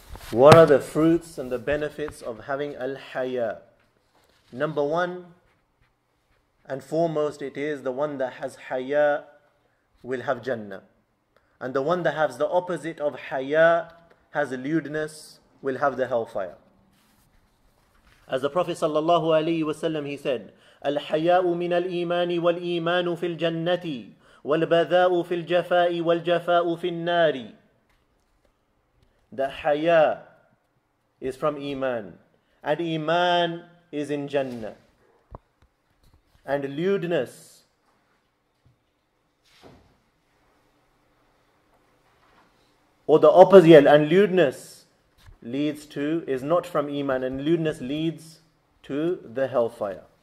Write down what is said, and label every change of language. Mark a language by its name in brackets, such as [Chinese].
[English] What are the fruits and the benefits of having al-haya? Number one and foremost, it is the one that has haya will have Jannah. And the one that has the opposite of haya, has lewdness, will have the hellfire. As the Prophet [Arabic] sallallahu alayhi wa sallam, [English] he said, [Arabic] الحياء من الإيمان والإيمان في الجنة والبذاء في الجفاء والجفاء في النار. [English] The haya is from iman, and iman is in Jannah. and lewdness. Or the opposite, and lewdness leads to, is not from iman, and lewdness leads to the hellfire.